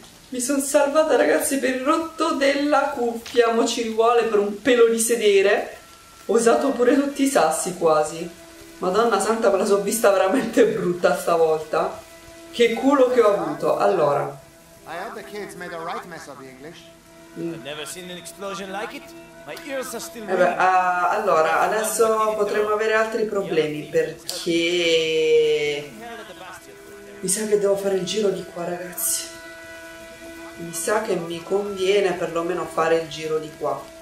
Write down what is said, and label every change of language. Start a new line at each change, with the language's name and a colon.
Italian: Mi sono salvata, ragazzi, per il rotto della cuffia. Mo ci vuole per un pelo di sedere. Ho usato pure tutti i sassi, quasi. Madonna santa, me la sono vista veramente brutta stavolta. Che culo che ho avuto. Allora.
English: I heard the kids made a right mess of the English. I've never seen an explosion like it.
Italian: Allora, adesso potremmo avere altri problemi, perché mi sa che devo fare il giro di qua, ragazzi. Mi sa che mi conviene perlomeno fare il giro di qua.